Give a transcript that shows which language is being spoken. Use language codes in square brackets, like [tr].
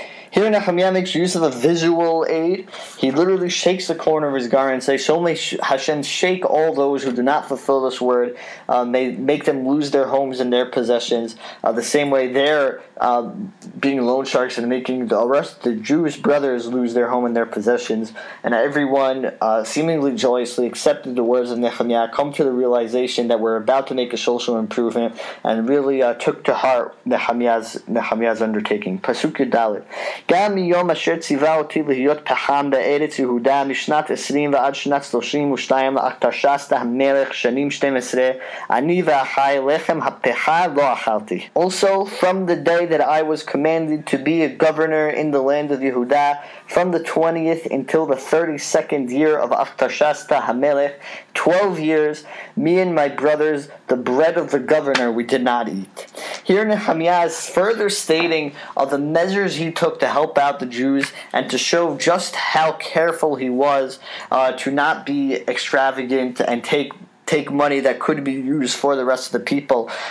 [en] Here Nehemiah makes use of a visual aid. He literally shakes the corner of his garment and says, so may Hashem shake all those who do not fulfill this word, may make them lose their homes and their possessions, the same way they're being loan sharks and making the rest of the Jewish brothers lose their home and their possessions. And everyone seemingly joyously accepted the words of Nehemiah, come to the realization that we're about to make a social improvement, and really took to heart Nehemiah's undertaking. [he] Pasuk Yudalit. גם מיום אשר ציווה אותי להיות פחם בארץ יהודה משנת 20 ועד שנת 32 לארתשסת המלך שנים 12 אני ואחי לחם הפחה לא אכלתי. [en] Also, from the day that I was commanded to be a governor in the land of Yehuda, from the 20th until the 32nd year of ארתשסת המלך, 12 years, me and my brothers, the bread of the governor, we did not eat. Here Nehemiah is further stating of the measures he took to help out the Jews and to show just how careful he was to not be extravagant and take money that could be used for the rest of the people.